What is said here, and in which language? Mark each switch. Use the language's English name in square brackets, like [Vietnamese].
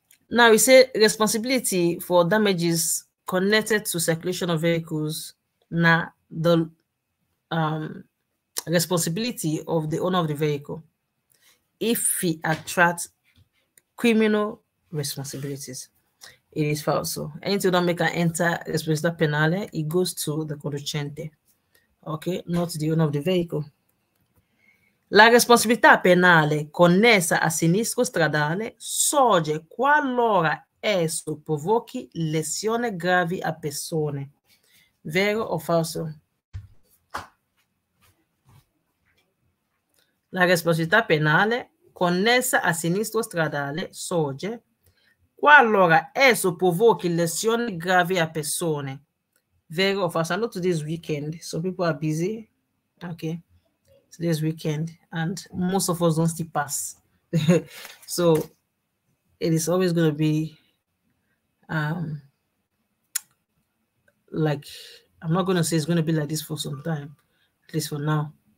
[English] Now, we say responsibility for damages connected to circulation of vehicles na the responsibility of the owner of the vehicle. If he attracts criminal responsibilities, it is false. So anything that make an enter [Italian] responsabilità penale, [English] it goes to the conducente, okay, not the owner of the vehicle. [Italian] La responsabilità penale connessa a sinistro stradale sorge qualora esso provochi lesioni gravi a persone. Vero o falso? La responsabilità penale connessa a sinistro stradale sorge qualora esso provochi lesioni gravi a persone. Vero o falso? [English] I know today's weekend, so people are busy. Okay. Today's weekend, and most of us don't still pass. So it is always going to be like, I'm not going to say it's going to be like this for some time, at least for now.